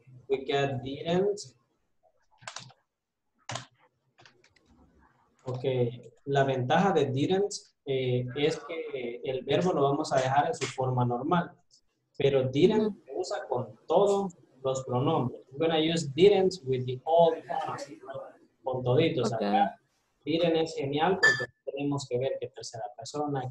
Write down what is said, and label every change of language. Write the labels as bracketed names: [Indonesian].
[English] We get didn't. Okay. [Spanish] La ventaja de didn't es que el verbo lo vamos a dejar en su forma normal. Pero didn't se usa con todos los pronombres. [English] I'm going to use didn't with the old pronouns. [Spanish] Con toditos. Okay. Acá. Didn't es genial porque tenemos que ver que tercera persona.